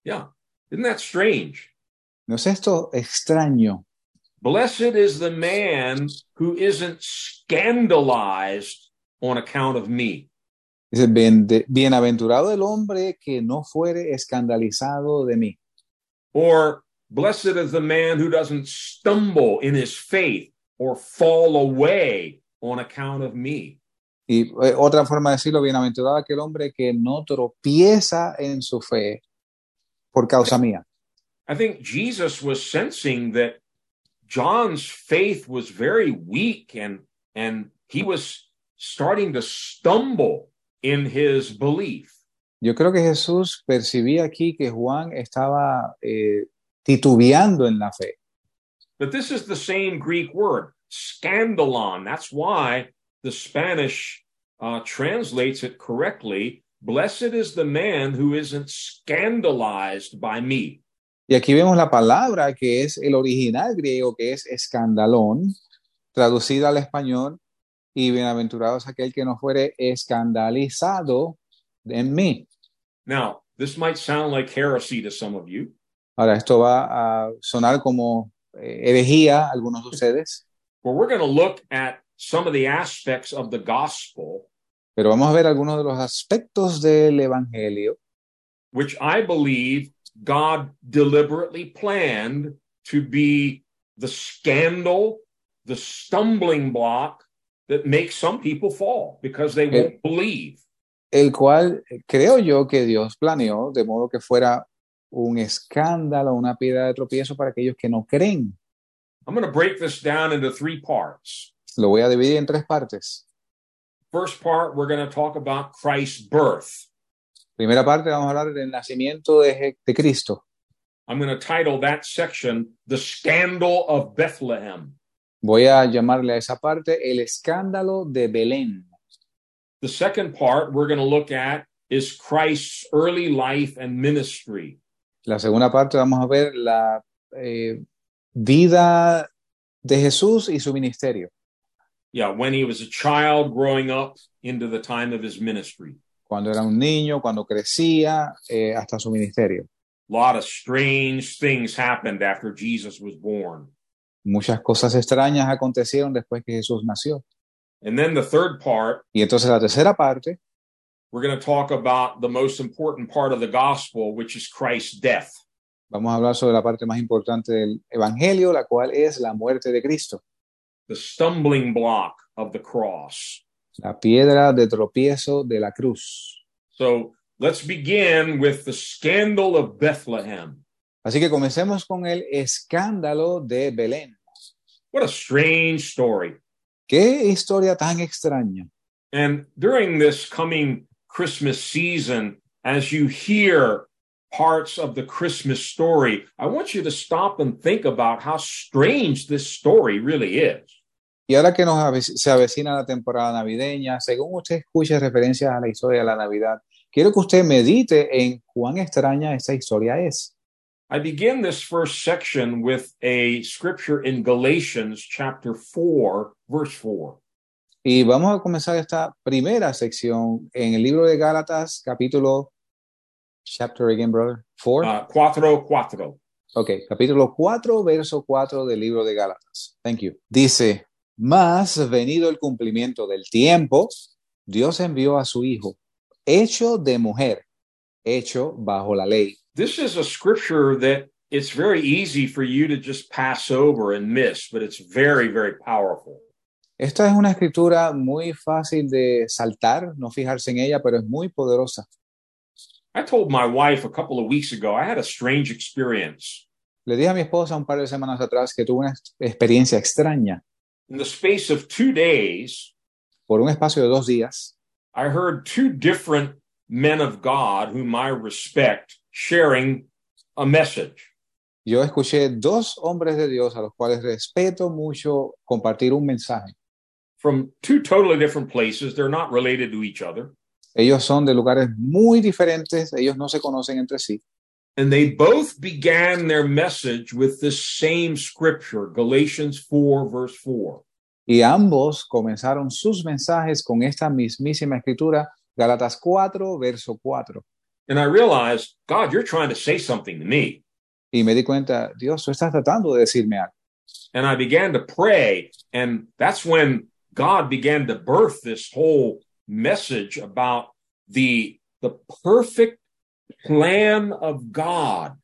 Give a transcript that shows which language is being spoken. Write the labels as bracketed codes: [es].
[en] Yeah. Isn't that strange? [es] ¿No es esto extraño? [en] Blessed is the man who isn't scandalized on account of me. [es] Dice, bienaventurado el hombre que no fuere escandalizado de mí. [en] Or blessed is the man who doesn't stumble in his faith or fall away on account of me. [es] Y otra forma de decirlo, bienaventurado aquel hombre que no tropieza en su fe. Por causa mía. [en] I think Jesus was sensing that John's faith was very weak and he was starting to stumble in his belief. [es] Yo creo que Jesús percibía aquí que Juan estaba titubeando en la fe. [en] But this is the same Greek word, scandalon. That's why the Spanish translates it correctly. Blessed is the man who isn't scandalized by me. [es] Y aquí vemos la palabra que es el original griego, que es escandalón, traducida al español, y bienaventurado es aquel que no fuere escandalizado en mí. [en] Now, this might sound like heresy to some of you. [es] Ahora, esto va a sonar como herejía a algunos de ustedes. [en] But we're going to look at some of the aspects of the gospel. [es] Pero vamos a ver algunos de los aspectos del evangelio. [en] Which I believe God deliberately planned to be the scandal, the stumbling block that makes some people fall because they won't believe. [es] El cual creo yo que Dios planeó de modo que fuera un escándalo, una piedra de tropiezo para aquellos que no creen. [en] I'm going to break this down into three parts. [es] Lo voy a dividir en tres partes. [en] First part, we're going to talk about Christ's birth. [es] Primera parte, vamos a hablar del nacimiento de Cristo. [en] I'm going to title that section, The Scandal of Bethlehem. [es] Voy a llamarle a esa parte, El Escándalo de Belén. [en] The second part we're going to look at is Christ's early life and ministry. [es] La segunda parte vamos a ver la vida de Jesús y su ministerio. [en] Yeah, when he was a child growing up into the time of his ministry. [es] Cuando era un niño, cuando crecía, hasta su ministerio. [en] A lot of strange things happened after Jesus was born. [es] Muchas cosas extrañas acontecieron después que Jesús nació. [en] And then the third part. [es] Y entonces la tercera parte. [en] We're going to talk about the most important part of the gospel, which is Christ's death. [es] Vamos a hablar sobre la parte más importante del evangelio, la cual es la muerte de Cristo. [en] The stumbling block of the cross. [es] La piedra de tropiezo de la cruz. [en] So let's begin with the scandal of Bethlehem. [es] Así que comencemos con el escándalo de Belén. [en] What a strange story. [es] ¿Qué historia tan extraña? [en] And during this coming Christmas season, as you hear parts of the Christmas story, I want you to stop and think about how strange this story really is. [es] Y ahora que nos se avecina la temporada navideña, según usted escucha referencias a la historia de la Navidad, quiero que usted medite en cuán extraña esta historia es. [en] I begin this first section with a scripture in Galatians chapter 4, verse 4. [es] Y vamos a comenzar esta primera sección en el libro de Gálatas, capítulo, [en] chapter again, brother, 4? 4:4. [es] Okay, capítulo 4, verso 4 del libro de Gálatas. [en] Thank you. [es] Dice, más venido el cumplimiento del tiempo, Dios envió a su Hijo, hecho de mujer, hecho bajo la ley. [en] This is a scripture that it's very easy for you to just pass over and miss, but it's very, very powerful. [es] Esta es una escritura muy fácil de saltar, no fijarse en ella, pero es muy poderosa. [en] I told my wife a couple of weeks ago, I had a strange experience. [es] Le dije a mi esposa un par de semanas atrás que tuve una experiencia extraña. [en] In the space of 2 days, [es] por un espacio de 2 días, [en] I heard 2 different men of God whom I respect sharing a message. [es] Yo escuché 2 hombres de Dios a los cuales respeto mucho compartir un mensaje. [en] From 2 totally different places, they're not related to each other. [es] Ellos son de lugares muy diferentes, ellos no se conocen entre sí. [en] And they both began their message with this same scripture, Galatians 4, verse 4. [es] Y ambos comenzaron sus mensajes con esta mismísima escritura, Gálatas 4, verso 4. [en] And I realized, God, you're trying to say something to me. [es] Y me di cuenta, Dios, tú estás tratando de decirme algo. [en] And I began to pray, and that's when God began to birth this whole message about the perfect plan of God.